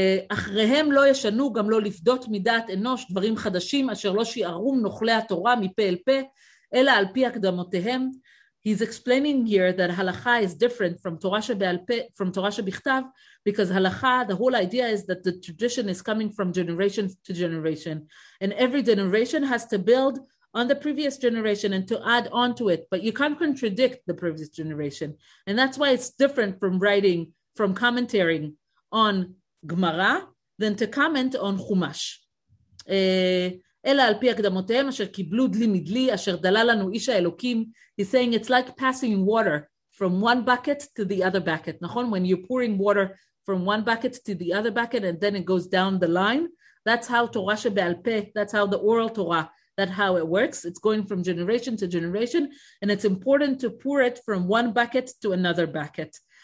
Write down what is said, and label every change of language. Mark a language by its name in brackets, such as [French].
[Hebrew] אחריהם לא ישנו גם לא לפדות מדעת אנוש דברים חדשים אשר לא שיערו נוכלי התורה מפה אל פה, אלא על פי הקדמותיהם. [English] He's explaining here that halakha is different from Torah שבעל פה, from Torah שבכתב, because halakha, the whole idea is that the tradition is coming from generation to generation, and every generation has to build on the previous generation and to add on to it, but you can't contradict the previous generation, and that's why it's different from writing, from commenting on Gemara, than to comment on Chumash. [Hebrew] אלא על פי הקדמותיהם אשר קיבלו דלי מדלי אשר דלה לנו איש האלוקים. [English] He's saying it's like passing water from one bucket to the other bucket. נכון? When you're pouring water from one bucket to the other bucket and then it goes down the line, that's how Torah שבעל פה, that's how the oral Torah, that's how it works. It's going from generation to generation, and it's important to pour it from one bucket to another bucket.